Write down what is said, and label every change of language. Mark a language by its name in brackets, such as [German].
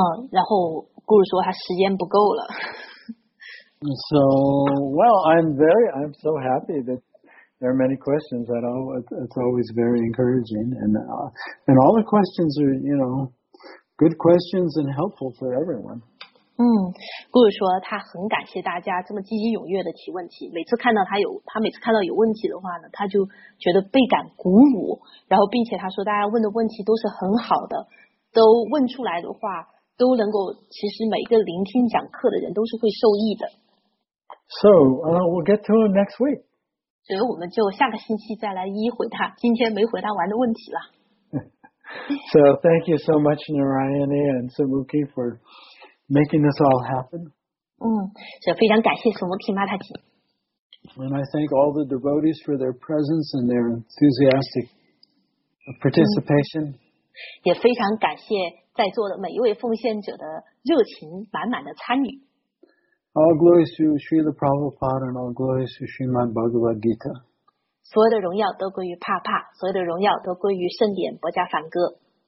[Chinese] 然后顾主说他时间不够了。 [English] So, well, I'm so happy that there are many questions. It's always very encouraging, and all the questions are, you know, good questions and helpful for everyone. [Chinese] 顾主说他很感谢大家这么积极踊跃的提问题。他每次看到有问题的话呢，他就觉得倍感鼓舞。然后，并且他说大家问的问题都是很好的。都问出来的话都能够其实每一个聆听讲课的人都是会受益的。 [English] So, we'll get to it next week. [Chinese] 所以我们就下个星期再来一一回答今天没回答完的问题了。 [English] So, thank you so much, Narayani and Sumukhi, for making this all happen. [Chinese] 所以非常感谢 Sumukhi Mataji. [English] And I thank all the devotees for their presence and their enthusiastic participation. [Chinese] 也非常感谢在座的每一位奉献者的热情满满的参与。 [English] All glories to Srila Prabhupada and all glories to Srimad Bhagavad Gita. [Chinese] 所有的荣耀都归于帕帕，所有的荣耀都归于圣典博迦梵歌。